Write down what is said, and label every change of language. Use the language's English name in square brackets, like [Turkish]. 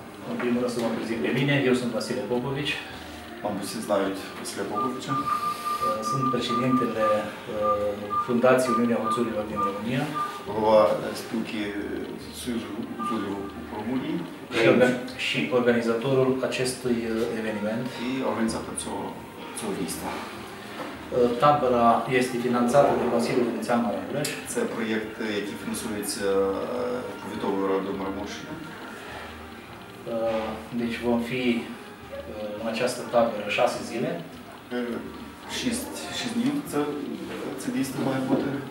[Romanian] În primul rând să mă prezint pe mine, eu sunt Vasile Popovici. Am puțin znaiuți Vasile Popovici. Sunt președintele Fundației Uniunea Uțurilor din România. [Ukrainian] Голова спілки Союзу Уцурів в Румунії. [Romanian] Și organizatorul acestui eveniment. [Ukrainian] І організатор цього дійства. [Romanian] Табора este finanțată de Consiliul Județean Maramureș. [Ukrainian] Це проєкт, який фінансується повітовою радою Маремуші. [Romanian] Deci vom fi în această tabără 6 zile. [Ukrainian] 6 dni, це дійство має бути.